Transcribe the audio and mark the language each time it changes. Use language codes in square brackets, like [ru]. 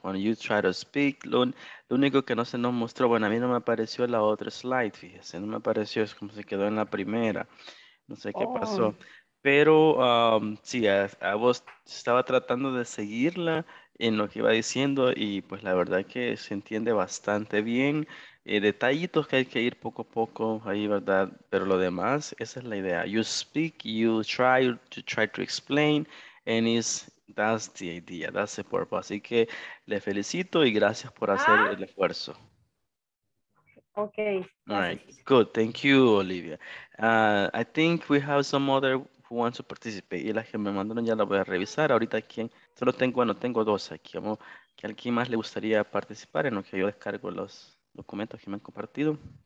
[en] When you try to speak, [es] lo único que no se nos mostró, bueno, a mí no me apareció la otra slide, fíjese, no me apareció, es como se quedó en la primera. No sé qué pasó. Pero sí, a vos estaba tratando de seguirla en lo que iba diciendo y pues la verdad que se entiende bastante bien. Detallitos que hay que ir poco a poco ahí, ¿verdad? Pero lo demás, esa es la idea. [en] You speak, you try to explain, and that's the idea, that's the purpose. [es] Así que le felicito y gracias por hacer el esfuerzo. [en] Okay. All right, good. Thank you, Olivia. I think we have some other who wants to participate? [es] Y las que me mandaron ya las voy a revisar. Ahorita quién, solo tengo, bueno, tengo dos aquí. Vamos, que alguien más le gustaría participar en lo que yo descargo los documentos que me han compartido.